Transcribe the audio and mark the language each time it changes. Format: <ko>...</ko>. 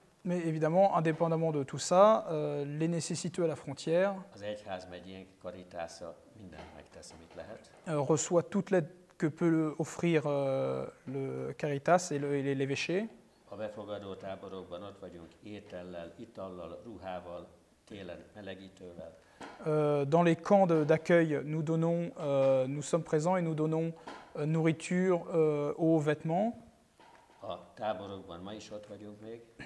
<fr>Mais évidemment, indépendamment de tout ça, les nécessiteux à la frontière.</fr> <hu>Az egyház megyénk karitásza mindent megtesz, amit lehet.</hu> <fr>Reçoit toute l'aide que peut offrir le Caritas et l'évêché.</fr> <hu>A befogadó táborokban ott vagyunk étellel, itallal, ruhával, télen melegítővel.</hu> <fr>Dans les camps d'accueil, nous sommes présents et nous donnons nourriture, eau, vêtements.</fr> <hu>A táborokban ma is ott vagyunk még.</hu>